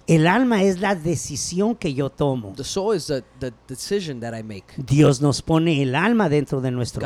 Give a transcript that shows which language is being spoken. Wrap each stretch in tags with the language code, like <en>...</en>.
<es>El alma es la decisión que yo tomo.</es> <en>The soul is the decision that I make.</en> <es>Dios nos pone el alma dentro de nuestro</es>